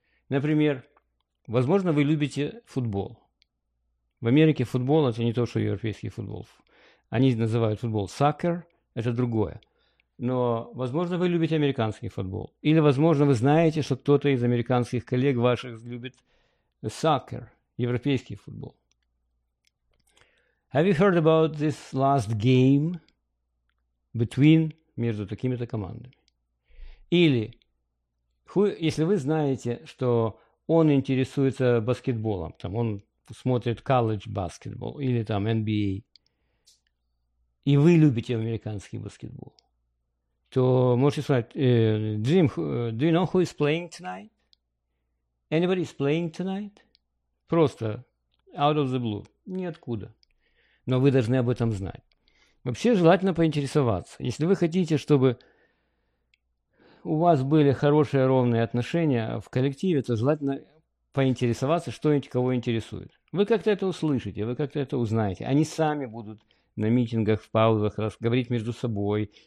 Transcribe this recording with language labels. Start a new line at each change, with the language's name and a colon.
Russian: Например, возможно, вы любите футбол. В Америке футбол – это не то, что европейский футбол. Они называют футбол soccer – это другое. Но, возможно, вы любите американский футбол. Или, возможно, вы знаете, что кто-то из американских коллег ваших любит soccer – европейский футбол.
English: Have you heard about this last game between
Russian: между
English: такими-то командами?
Russian: Или, если вы знаете, что он интересуется баскетболом, там он смотрит college basketball или там NBA, и вы любите американский баскетбол, то можете сказать, Джим,
English: do you know who is playing tonight? Anybody is playing tonight?
Russian: Просто
English: out of the blue,
Russian: ниоткуда. Но вы должны об этом знать. Вообще желательно поинтересоваться. Если вы хотите, чтобы у вас были хорошие, ровные отношения в коллективе, то желательно поинтересоваться, что кого интересует. Вы как-то это услышите, вы как-то это узнаете. Они сами будут на митингах, в паузах говорить между собой.